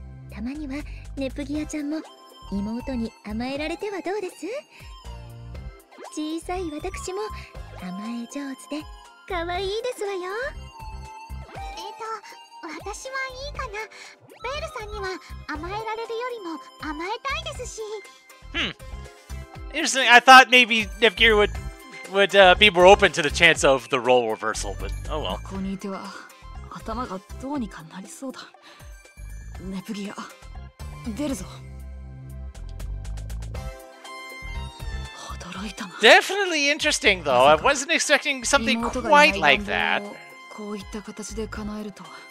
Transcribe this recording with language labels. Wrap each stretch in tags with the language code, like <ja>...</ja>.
<ja>たまにはネプギアちゃんも妹に甘えられてはどうです。小さい私も甘え上手で可愛いですわよ。私はいいかな。ベールさんには甘えられるよりも甘えたいですし。</ja> <en>Interesting. I thought maybe Nefgir would、be more open to the chance of the role reversal, but oh well.</en> <ja>ここにいては頭がどうにかなりそうだ。ネプギア、出るぞ。驚いたな。</ja> <en>Definitely interesting, though. I wasn't expecting something quite like that.</en> <ja>こういった形で叶えるとは。</ja>